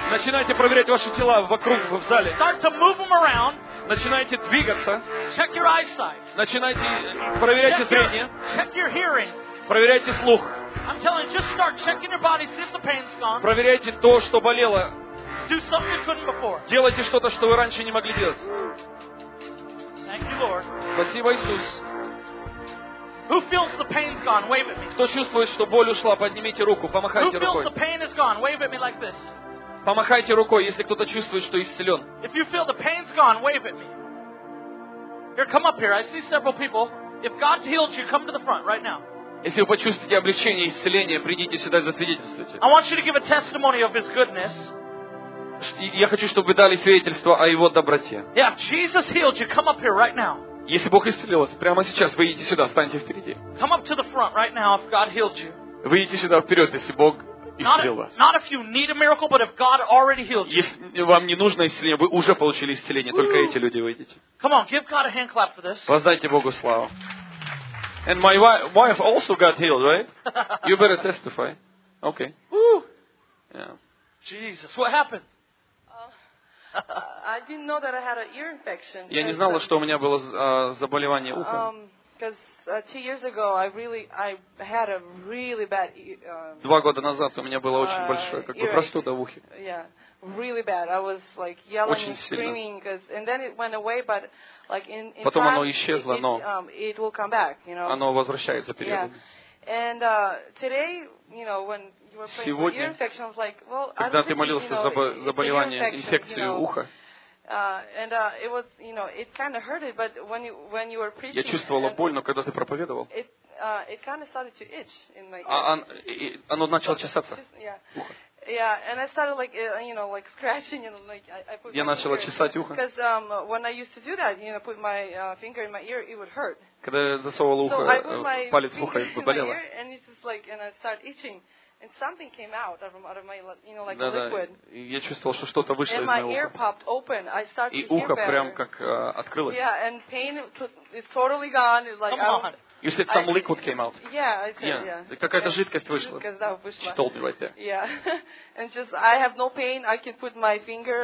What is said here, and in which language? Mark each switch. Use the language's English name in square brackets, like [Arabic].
[Russian] Начинайте проверять ваши тела вокруг в зале. [English] Start to move them around. [Russian] Начинайте двигаться. [English] Check your eyesight. [Russian] Начинайте проверять зрение. [English] Check your hearing. [Russian] Проверяйте слух. [English] I'm telling you, just start checking your body, see if the pain's gone. [Russian] Проверяйте то, что болело. [English] Do something you couldn't before. [Russian] Делайте что-то, что вы раньше не могли делать. [English] Thank you, Lord. [Russian] Спасибо, Иисус. [English] Who feels the pain's gone? Wave at me. [Russian] Кто чувствует, что боль ушла, поднимите руку, помахайте рукой. [English] Who feels the pain is gone? Wave at me like this. [Russian] Помахайте рукой, если кто-то чувствует, что исцелен. [English] If you feel the pain's gone, wave at me. Here, come up here. I see several people. If God's healed you, come to the front right now. [Russian] Если вы почувствуете облегчение, исцеление, придите сюда и засвидетельствуйте. [English] I want you to give a testimony of His goodness. [Russian] Я хочу, чтобы вы дали свидетельство о Его доброте. [English] Yeah, if Jesus healed you, come up here right now. [Russian] Если Бог исцелил вас, прямо сейчас вы идите сюда, встаньте впереди. [English] Come up to the front right now if God healed you. [Russian] Вы идите сюда вперед, если Бог исцелил вас. [English] Not if you need a miracle, but if God already healed you. [Russian] Если вам не нужно исцеление, вы уже получили исцеление, только эти люди выйдите. [English] Come on, give God a hand clap for this. [Russian] Воздайте Богу славу. [English] And my wife also got healed, right? You better testify. Okay. Woo. Yeah. Jesus, what happened? I didn't know that I had an ear infection. [Russian] Я не знала, что у меня было заболевание уха. [English] Because two years ago I had a really bad. [Russian] Два года назад у меня было очень большое, как бы простуда в ухе. [English] Yeah, really bad. I was like yelling and screaming, because and then it went away, but like in time. [Russian] Потом оно исчезло, но. [English] It will come back, you know. [Russian] Оно возвращается периодически. [English] Yeah. And today, you know, when. [Russian] Сегодня, когда ты молился за заболевание, инфекцию уха, я чувствовала боль, но когда ты проповедовал, оно начало чесаться. [English] Yeah, and I started like you know like scratching and like I put. [Russian] Я начала чесать ухо. [English] Because when I used to do that, you know, put my finger in my ear, it would hurt. [Russian] Когда я засовывала ухо, палец в ухо, болело. [English] And it's just like, and I start itching. And something came out of my, you know, like да, liquid. [Russian] Я чувствовал, что что-то вышло [English] and [Russian] из моего уха. [English] Ear popped open. I started to [Russian] и ухо [English] hear [Russian] прям как открылось. [English] Yeah, and pain is totally gone. It's like, come on. You said some liquid came out. Yeah, I said, yeah. [Russian] Какая-то жидкость вышла. Жидкость, да, [English] she told me right there. Yeah. And just, I have no pain. I can put my finger,